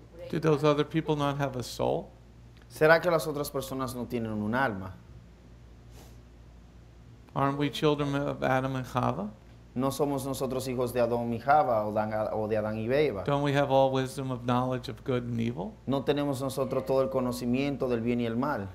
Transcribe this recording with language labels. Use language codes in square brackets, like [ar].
[en] Did those other people not have a soul? [es] ¿Será que las otras personas no tienen un alma? [en] Aren't we children of Adam and Eve? [es] No somos nosotros hijos de Adán y Eva o de Adán y Eva. [en] Don't we have all wisdom of knowledge of good and evil? [es] No tenemos nosotros todo el conocimiento del bien y el mal.